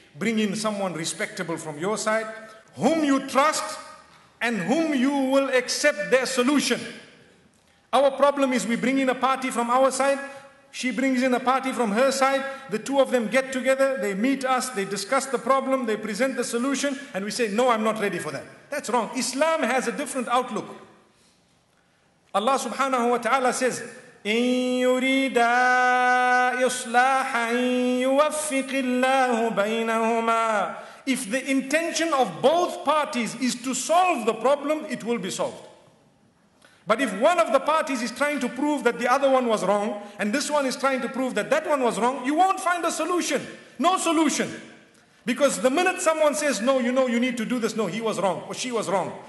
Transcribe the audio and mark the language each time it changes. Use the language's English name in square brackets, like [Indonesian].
[English] Bring in someone respectable from your side, whom you trust, and whom you will accept their solution. Our problem is we bring in a party from our side, she brings in a party from her side. The two of them get together. They meet us. They discuss the problem. They present the solution. And we say, no, I'm not ready for that. That's wrong. Islam has a different outlook. Allah subhanahu wa ta'ala says, [Arabic] إِن يُرِيدَا إِصْلَاحًا يُوَفِّقِ اللَّهُ بَيْنَهُمَا. [English] If the intention of both parties is to solve the problem, it will be solved. But if one of the parties is trying to prove that the other one was wrong, and this one is trying to prove that that one was wrong, you won't find a solution. No solution. Because the minute someone says, no, you know, you need to do this. No, he was wrong or she was wrong.